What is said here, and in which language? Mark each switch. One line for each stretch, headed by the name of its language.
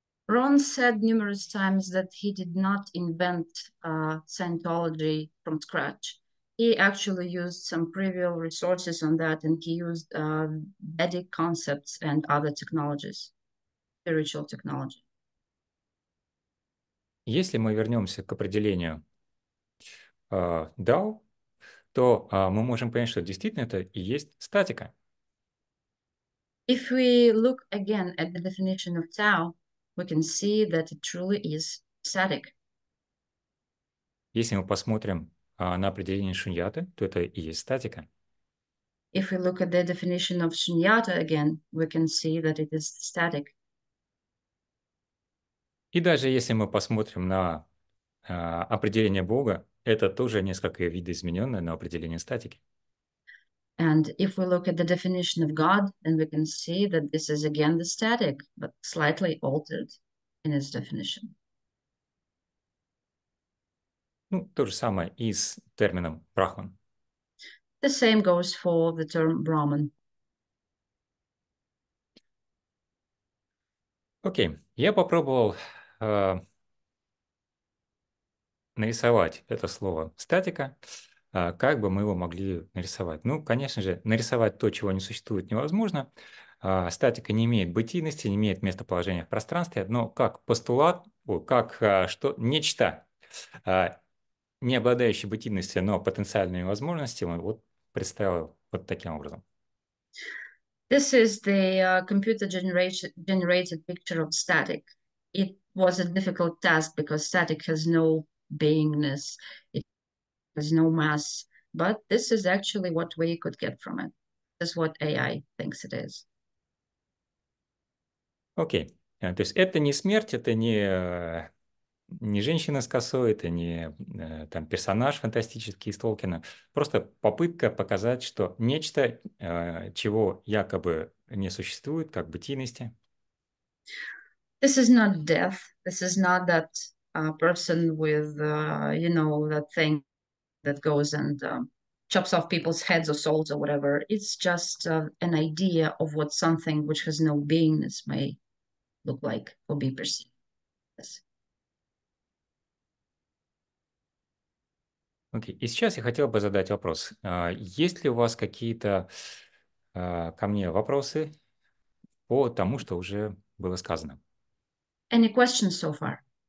English: Ron said numerous times that he did not invent Scientology from scratch. He actually used some previous resources on that, and he used Vedic concepts and other technologies, spiritual technology.
Russian: Если мы вернемся к определению DAO, то мы можем понять, что действительно это и есть статика.
English: If we look again at the definition of DAO, we can see that it truly is static.
Russian: Если мы посмотрим на определение шуньяты, то это и есть статика.
English: If we look at the definition of shunyata again, we can see that it is static.
Russian: И даже если мы посмотрим на определение Бога, это тоже несколько видоизмененное на определение статики.
English: And if we look at the definition of God, then we can see that this is again the static, but slightly altered in its definition.
Russian: Ну, то же самое и с термином Брахман.
English: The same goes for the term Brahman.
Russian: Окей, я попробовал нарисовать это слово статика, как бы мы его могли нарисовать. Ну, конечно же, нарисовать то, чего не существует, невозможно. Статика не имеет бытийности, не имеет местоположения в пространстве, но как постулат, как что, нечто, не обладающее бытийностью, но потенциальными возможностями, вот представил вот таким образом.
English: This is the computer-generated picture of static. It was a difficult task because static has no beingness, it has no mass, but this is actually what we could get from it. This is what AI thinks it is.
Russian: Окей. То есть это не смерть, это не женщина с косой, это не там персонаж фантастический из Толкина. Просто попытка показать, что нечто, чего якобы не существует, как бытийности.
English: This is not death. This is not that person with, you know, that thing that goes and chops off people's heads or souls or whatever. It's just an idea of what something which has no beingness may look like or be perceived. Yes.
Russian: Окей, и сейчас я хотел бы задать вопрос. Есть ли у вас какие-то ко мне вопросы по тому, что уже было сказано?
English: Any questions so far?